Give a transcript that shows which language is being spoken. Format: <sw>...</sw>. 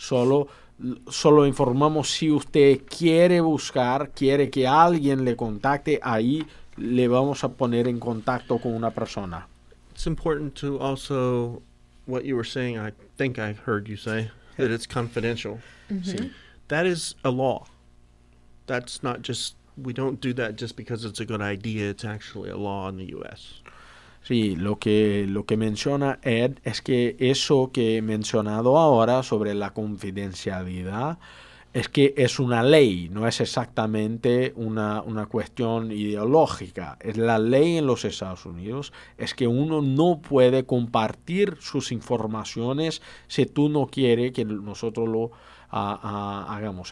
<es>Uh-huh. Solo informamos si usted quiere buscar, quiere que alguien le contacte, ahí le vamos a poner en contacto con una persona.</es> <en>It's important to also, what you were saying, I think I heard you say, that it's confidential.</en> <es>Mm-hmm. Sí.</es> <en>That is a law. That's not just, we don't do that just because it's a good idea, it's actually a law in the U.S.</en> <es>Sí, lo que menciona Ed es que eso que he mencionado ahora sobre la confidencialidad es que es una ley, no es exactamente una cuestión ideológica. Es la ley en los Estados Unidos es que uno no puede compartir sus informaciones si tú no quieres que nosotros lo hagamos.</es>